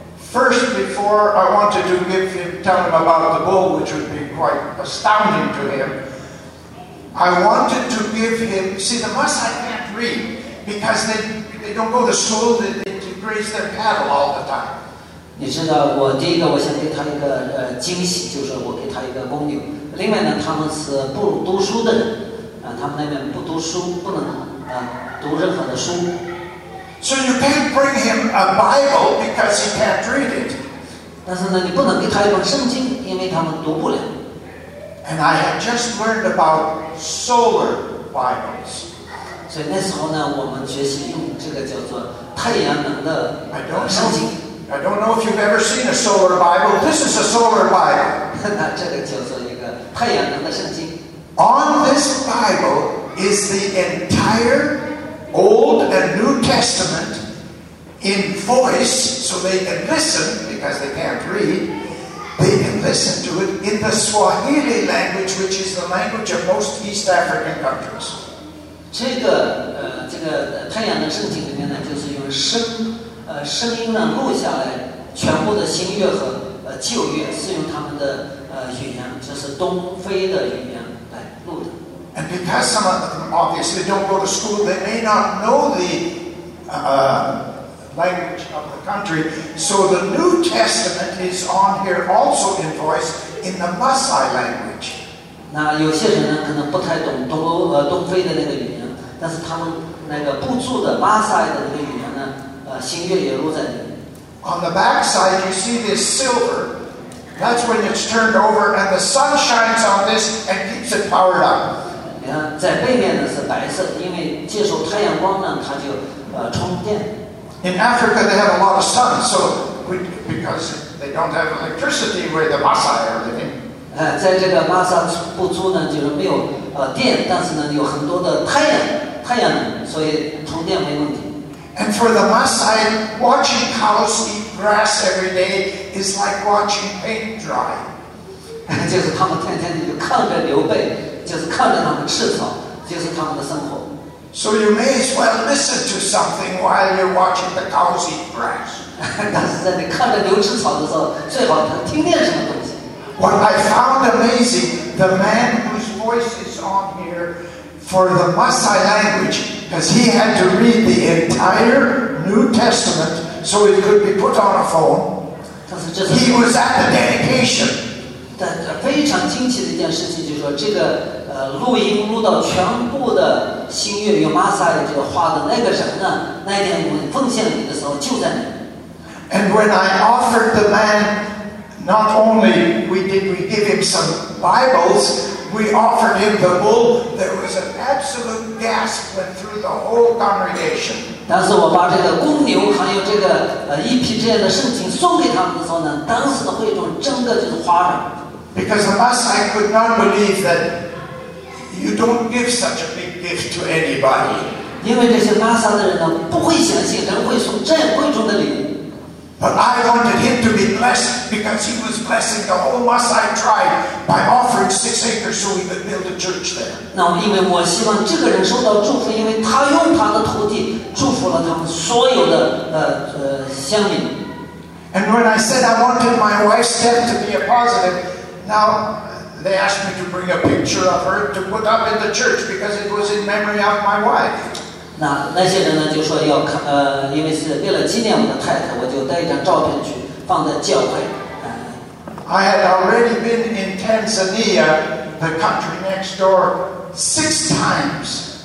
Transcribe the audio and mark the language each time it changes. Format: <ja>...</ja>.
<en>First, before I wanted to give him, tell him about the bull, which would be quite astounding to him. I wanted to give him. See, the Maasai can't read because they don't go to school. They graze their cattle all the time.</en> <zh>你知道，我第一个我想给他一个惊喜，就是我给他一个公牛。另外呢，他们是不读书的人。他们那边不读书，不能读任何的书。</zh> <en>So you can't bring him a Bible because he can't read it.</en> <zh>但是呢，你不能给他一本圣经，因为他们读不了。</zh> <en>And I had just learned about solar Bibles.</en> <zh>所以那时候呢，我们学习用这个叫做太阳能的圣经。</zh> <en>I don't know if you've ever seen a solar Bible. This is a solar Bible.</en> <zh>那这个叫做一个太阳能的圣经。</zh> <en>On this Bible is the entire Old and New Testament in voice, so they can listen, because they can't read, they can listen to it in the Swahili language, which is the language of most East African countries.</en> <zh>这个太阳能圣经里面呢，就是用声音呢录下来全部的新约和旧约，是用他们的语言，就是东非的语言。</zh> <en>And because some of them obviously don't go to school, they may not know the language of the country. So the New Testament is on here also in voice in the Maasai language.</en> <zh>那有些人呢可能不太懂东非的那个语言，但是他们那个不住的马赛的那个语言呢，新月也录在里面。</zh> <en>On the back side, you see this silver. That's when it's turned over, and the sun shines on this and keeps it powered up.</en> <zh>在背面呢是白色，因为接受太阳光呢，它就充电。</zh> <en>In Africa, they have a lot of sun, so because they don't have electricity where the Maasai are living.</en> <zh>在这个马萨部族呢，就是没有电，但是呢有很多的太阳能，所以充电没问题。</zh> <en>And for the Maasai, watching cows eat grass every day is like watching paint dry.</en> <zh>就是他们天天就看着牛背。就是看着他们吃草，就是他们的生活。</zh> <en>So you may as well listen to something while you're watching the cows eat grass.</en> <zh>但是在你看着牛吃草的时候，最好他听见什么东西。</zh> <en>What I found amazing, the man whose voice is on here for the Maasai language, because he had to read the entire New Testament so it could be put on a phone.</en> <zh>但是就是</zh> <en>he was at the dedication.</en> <zh>但非常惊奇的一件事情就是说，这个录音录到全部的新月用马萨这个画的那个人呢，那一天我们奉献礼的时候就在那。</zh> <en>And when I offered the man, not only we give him some Bibles, we offered him the bull. There was an absolute gasp went through the whole congregation.</en> <zh>但是我把这个公牛还有这个一批这样的圣经送给他们的时候呢，当时的会众真的就是哗然。</zh> <en>Because the Maasai could not believe that you don't give such a big gift to anybody.</en> <zh>因为这些马萨的人呢，不会相信人会送这样贵重的礼物。</zh> <en>But I wanted him to be blessed because he was blessing the whole Maasai tribe by offering 6 acres so he could build a church there.</en> <zh>那因为我希望这个人受到祝福，因为他用他的土地祝福了他们所有的乡民。</zh> <en>And when I said I wanted my wife's death to be a positive, now they asked me to bring a picture of her to put up in the church because it was in memory of my wife.</en> <zh>那些人呢就说要因为是为了纪念我的太太，我就带一张照片去放在教会。</zh> <en>I had already been in Tanzania, the country next door, 6 times.</en>